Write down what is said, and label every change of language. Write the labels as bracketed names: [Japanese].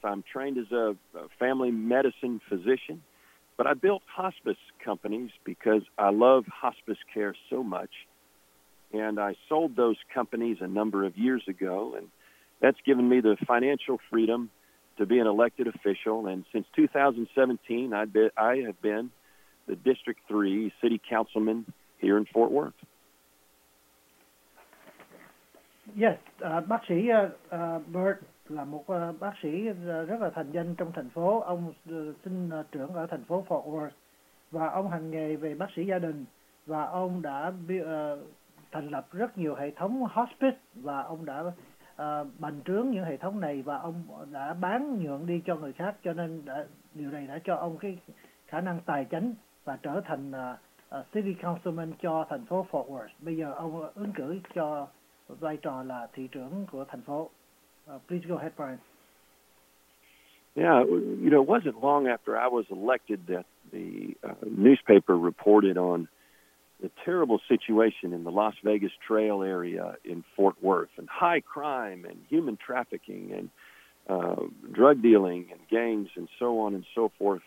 [English] I'm trained as a family medicine physician, but I built hospice companies because I love hospice care so much, and I sold those companies a number of years ago, and that's given me the financial freedom to be an elected official, and since 2017, I have been the District 3 City Councilman here in Fort Worth. [Vietnamese] Yes, bác sĩ Bird là một bác sĩ rất là thành danh trong thành phố. Ông sinh trưởng ở thành phố Fort Worth, và ông hành nghề về bác sĩ gia đình, và ông đã thành lập rất nhiều hệ thống hospice, và ông đã bành trướng những hệ thống này và ông đã bán nhượng đi cho người khác, cho nên điều này đã cho ông cái khả năng tài chính và trở thành city councilman cho thành phố Fort Worth. Bây giờ ông ứng cử cho vai trò là thị trưởng của thành phố. [English] Please go ahead, Brian. Yeah, you know, it wasn't long after I was elected that the newspaper reported on the terrible situation in the Las Vegas Trail area in Fort Worth, and high crime and human trafficking and drug dealing and gangs and so on and so forth.